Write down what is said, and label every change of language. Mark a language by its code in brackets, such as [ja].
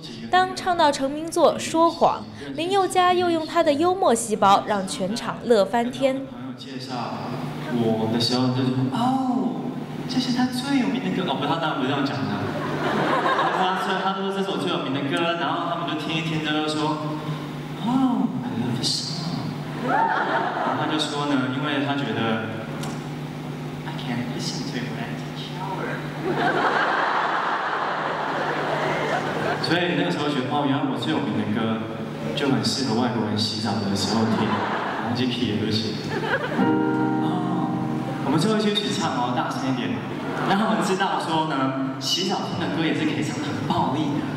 [zh] 当唱到成名作《说谎》，林宥嘉又用他的幽默细胞让全场乐翻天。朋友介绍我的时候，就说：“哦，这是他最有名的歌。” 哦，不，他当然不这样讲的。他说：“他说这首最有名的歌。” 然后他们就听一听，就说：“哦 ， [en] I love this song。” [zh] 他就说呢，因为他觉得 [en] I can't listen to it when I take shower。 [zh] 所以那个时候觉得，哦，原来我最有名的歌就很适合外国人洗澡的时候听，然后就 key 也不行。哦，我们最后一起唱哦，大声一点，让他们知道说呢，洗澡听的歌也是可以唱很暴力的。